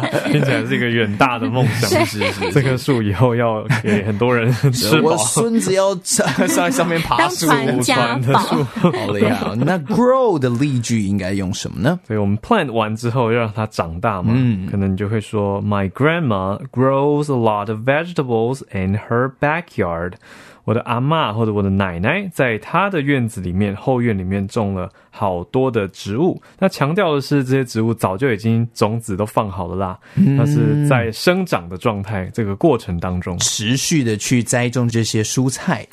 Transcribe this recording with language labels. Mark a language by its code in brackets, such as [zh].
[zh] 并且是一个远大的梦想。是是，这棵树以后要给很多人吃饱，我孙子要上上面爬树，当传家宝。好厉害。那 grow 的例句应该用什么呢？所以我们 plant 完之后要让它长大嘛，嗯，可能你就会说 [en] My grandma grows a lot of vegetables in her backyard。 [zh] 我的阿嬷或者我的奶奶在她的院子里面，后院里面种了好多的植物。那强调的是这些植物早就已经种子都放好了啦，那是在生长的状态，这个过程当中持续的去栽种这些蔬菜。